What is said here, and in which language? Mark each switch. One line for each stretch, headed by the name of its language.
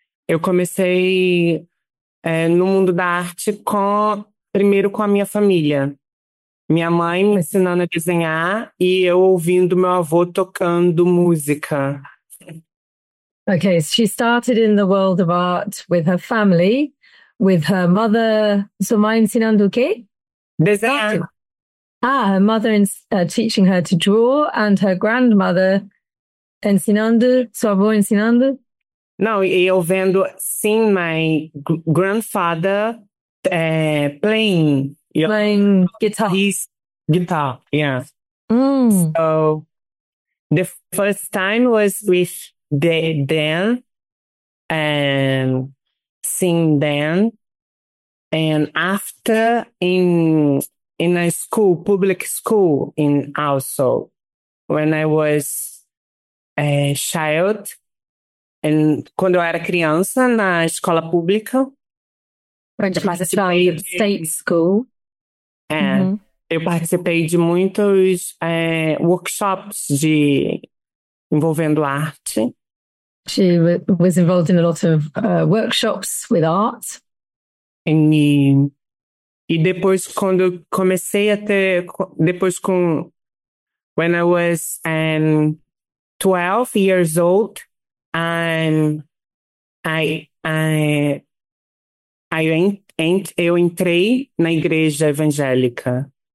Portuguese: Eu comecei no mundo da arte primeiro com a minha família. Minha mãe me ensinando a desenhar e eu ouvindo meu avô tocando música.
English: Okay, so she started in the world of art with her family, with her mother,
Portuguese: sua mãe ensinando o quê? Desenhar.
English: Ah, her mother teaching her to draw and her grandmother
Portuguese: ensinando, sua avó ensinando? Não, eu vendo, sim,
English: my grandfather playing. Playing guitar. His guitar, yeah. Mm. So the first time was with Dan and seeing Dan. And after in a school, public school in also, when I was a child, and
Portuguese: quando eu era criança na escola pública.
English: When you were a child at state school. And mm-hmm.
Portuguese: eu participei de muitos workshops de envolvendo arte.
English: She was involved in a lot of workshops with art.
Portuguese: E depois quando comecei até depois com
English: when I was 12 years old,
Portuguese: eu entrei na igreja evangélica.